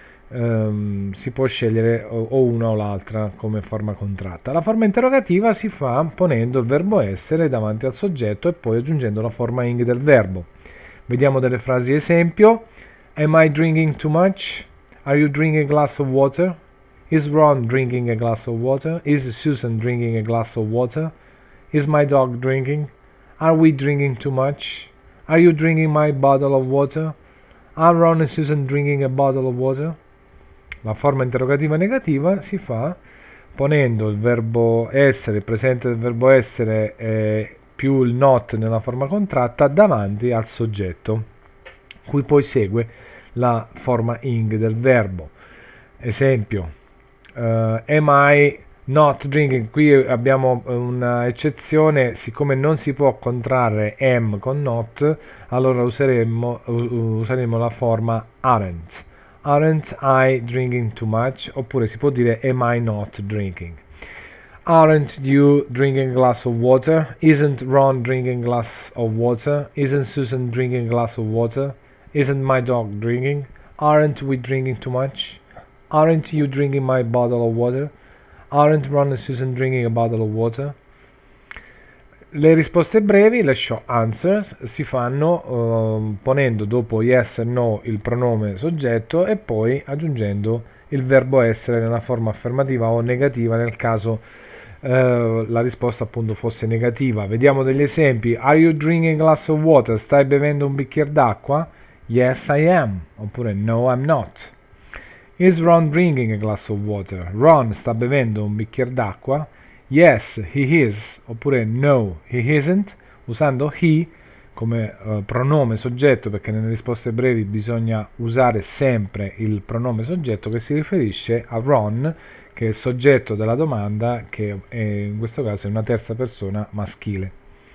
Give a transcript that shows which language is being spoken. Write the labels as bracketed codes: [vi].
[it] Si può scegliere o una o l'altra come forma contratta. La forma interrogativa si fa ponendo il verbo essere davanti al soggetto e poi aggiungendo la forma ing del verbo. Vediamo delle frasi esempio. [en] Am I drinking too much? Are you drinking a glass of water? Is Ron drinking a glass of water? Is Susan drinking a glass of water? Is my dog drinking? Are we drinking too much? Are you drinking my bottle of water? Are Ron and Susan drinking a bottle of water? [it] La forma interrogativa negativa si fa ponendo il verbo essere, il presente del verbo essere più il not nella forma contratta davanti al soggetto, cui poi segue la forma ing del verbo. Esempio, [en] am I not drinking? [it] Qui abbiamo un'eccezione, siccome non si può contrarre am con not, allora useremo la forma aren't. [en] Aren't I drinking too much? [it] Oppure si può dire [en] am I not drinking? Aren't you drinking a glass of water? Isn't Ron drinking a glass of water? Isn't Susan drinking a glass of water? Isn't my dog drinking? Aren't we drinking too much? Aren't you drinking my bottle of water? Aren't Ron and Susan drinking a bottle of water? [it] Le risposte brevi, le short answers, si fanno ponendo dopo yes e no il pronome soggetto e poi aggiungendo il verbo essere nella forma affermativa o negativa nel caso la risposta appunto fosse negativa. Vediamo degli esempi. [en] Are you drinking a glass of water? [it] Stai bevendo un bicchiere d'acqua? [en] Yes, I am. [it] Oppure [en] no, I'm not. Is Ron drinking a glass of water? [it] Ron sta bevendo un bicchiere d'acqua? [en] Yes, he is, [it] oppure [en] no, he isn't, [it] usando he come pronome soggetto, perché nelle risposte brevi bisogna usare sempre il pronome soggetto che si riferisce a Ron, che è il soggetto della domanda, che è, in questo caso è una terza persona maschile.